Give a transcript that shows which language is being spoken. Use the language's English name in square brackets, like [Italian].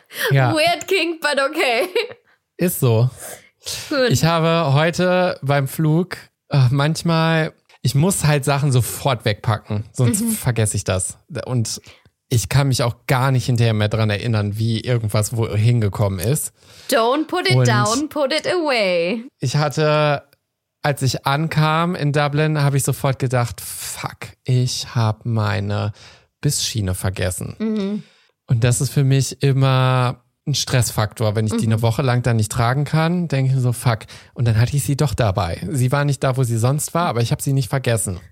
[English] Ja. Weird King, but okay. [German] Ist so. [English] Good. [German] Ich habe heute beim Flug manchmal, ich muss halt Sachen sofort wegpacken, sonst vergesse ich das. Und ich kann mich auch gar nicht hinterher mehr dran erinnern, wie irgendwas wohin gekommen ist. [English] Don't put it down, put it away. [German] Ich hatte, als ich ankam in Dublin, habe ich sofort gedacht, fuck, ich habe meine Bissschiene vergessen. Mhm. Und das ist für mich immer ein Stressfaktor. Wenn ich die eine Woche lang dann nicht tragen kann, denke ich mir so, fuck. Und dann hatte ich sie doch dabei. Sie war nicht da, wo sie sonst war, aber ich habe sie nicht vergessen.